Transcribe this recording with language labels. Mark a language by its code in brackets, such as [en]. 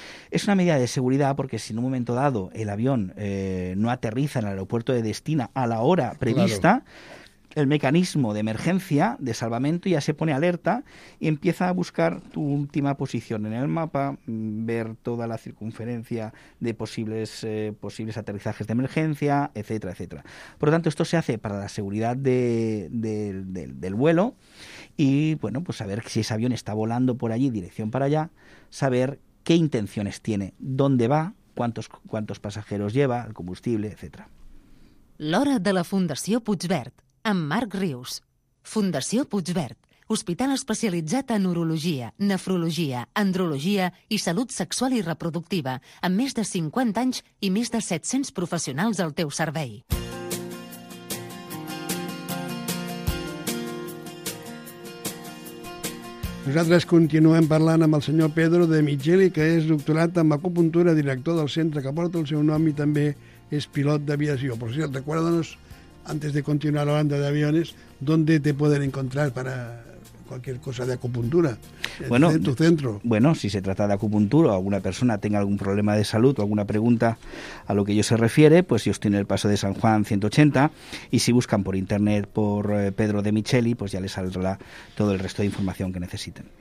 [es] Es una medida de seguridad, porque si en un momento dado el avión no aterriza en el aeropuerto de destino a la hora prevista, el mecanismo de emergencia, de salvamento, ya se pone alerta y empieza a buscar tu última posición en el mapa, ver toda la circunferencia de posibles aterrizajes de emergencia, etcétera, etcétera. Por lo tanto, esto se hace para la seguridad del vuelo y, bueno, pues saber si ese avión está volando por allí, dirección para allá, saber qué intenciones tiene, dónde va, cuántos pasajeros lleva, el combustible, etcétera. [ca] L'hora de la Fundació Puigverd. Amb Marc Rius. Fundació Puigverd. Hospital especialitzat en urologia, nefrologia, andrologia i salut sexual i reproductiva, amb més de 50 anys i més de 700 professionals al teu servei. Nosaltres continuem parlant amb el senyor Pedro de Micheli, que és doctorat en acupuntura, director del centre que porta el seu nom i també és pilot d'aviació. Per cert, recorda-nos, [es] antes de continuar hablando de aviones, ¿dónde te pueden encontrar para cualquier cosa de acupuntura? Bueno, en tu centro. Bueno, si se trata de acupuntura o alguna persona tenga algún problema de salud o alguna pregunta a lo que yo se refiere, pues yo estoy en el Paso de San Juan 180, y si buscan por internet por Pedro de Micheli, pues ya les saldrá todo el resto de información que necesiten.